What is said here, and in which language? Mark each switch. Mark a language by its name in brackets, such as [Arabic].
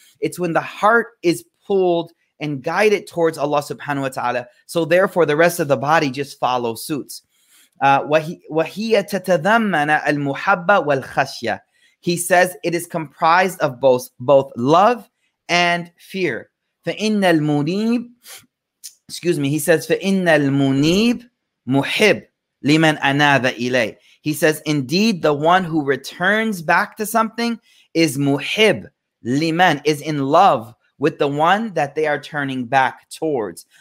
[English] It's when the heart is pulled and guided towards Allah subhanahu wa ta'ala. So therefore the rest of the body just follows suits. [Arabic] وَهِيَ تَتَذَمَّنَ الْمُحَبَّ وَالْخَشْيَ. [English] He says it is comprised of both love and fear. [Arabic] فَإِنَّ الْمُنِيبِ, [English] excuse me, he says, [Arabic] فَإِنَّ الْمُنِيبِ مُحِبْ لِمَنْ أَنَابَ إِلَيْهِ. [English] He says, indeed, the one who returns back to something is [Arabic] muhib liman, [English] is in love with the one that they are turning back towards.